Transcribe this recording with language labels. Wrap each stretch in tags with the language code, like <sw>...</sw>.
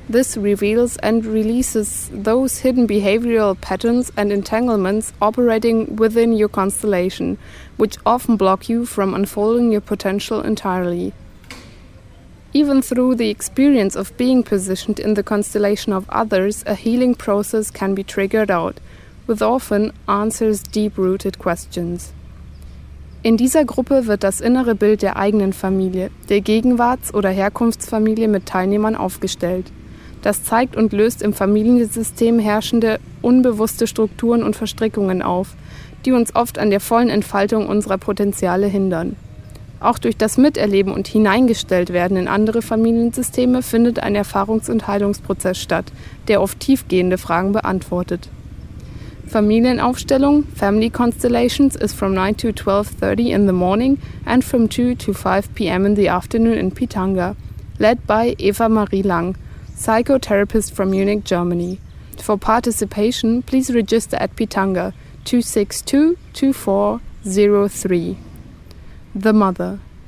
<en>This reveals and releases those hidden behavioral patterns and entanglements operating within your constellation, which often block you from unfolding your potential entirely. Even through the experience of being positioned in the constellation of others, a healing process can be triggered out, with often answers deep-rooted questions.</en> <de>In dieser Gruppe wird das innere Bild der eigenen Familie, der Gegenwarts- oder Herkunftsfamilie mit Teilnehmern aufgestellt. Das zeigt und löst im Familiensystem herrschende, unbewusste Strukturen und Verstrickungen auf, die uns oft an der vollen Entfaltung unserer Potenziale hindern. Auch durch das Miterleben und Hineingestelltwerden in andere Familiensysteme findet ein Erfahrungs- und Heilungsprozess statt, der oft tiefgehende Fragen beantwortet.</de> <en>Familienaufstellung, Family Constellations, is from 9 to 12:30 in the morning and from 2 to 5 p.m. in the afternoon in Pitanga, led by Eva Marie Lang, psychotherapist from Munich, Germany. For participation, please register at Pitanga, 262-2403. The Mother.</en>